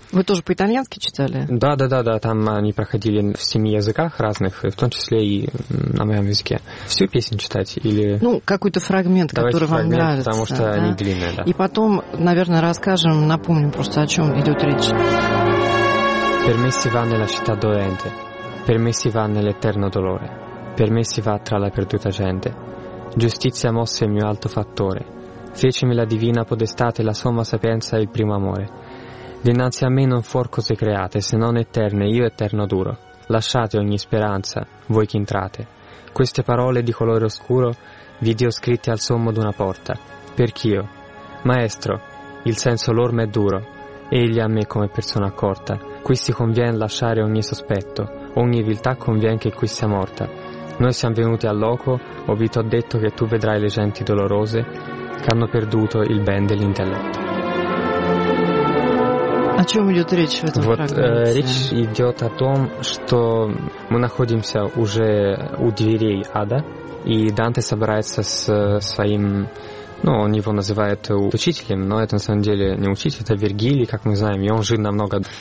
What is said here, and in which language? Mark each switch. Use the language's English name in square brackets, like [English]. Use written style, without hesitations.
[Russian] Вы тоже по-итальянски читали? Да. Там они проходили в 7 языках разных, в том числе и на моем языке. Всю песню читать или... Ну, какой-то фрагмент, давайте который фрагмент, вам нравится. Потому что да? Они длинные, да. И потом, наверное, расскажем, напомним просто, о чем идет речь. [Italian] Per me si va nella città dolente, per me si va nell'eterno dolore, per me si va tra la perduta gente. Giustizia mosse il mio alto fattore, fecimi la divina podestate, la somma sapienza e il primo amore. Dinanzi a me non fuor cose create, se non eterne, io eterno duro. Lasciate ogni speranza, voi che entrate. Queste parole di colore oscuro vi dio scritte al sommo d'una porta. Perch'io, maestro, il senso loro m'è duro, egli a me come persona accorta. Qui si conviene lasciare ogni sospetto, ogni viltà conviene che qui sia morta. Noi siamo venuti al loco, o vi t'ho detto che tu vedrai le genti dolorose che hanno perduto il ben dell'intelletto. [Russian] О чем идет речь в этом вот, фрагменте? Речь идет о том, что мы находимся уже у дверей ада, и Данте собирается с своим... Ну, он его называет учителем, но это на самом деле не учитель, это Вергилий, как мы знаем. И он жил намного...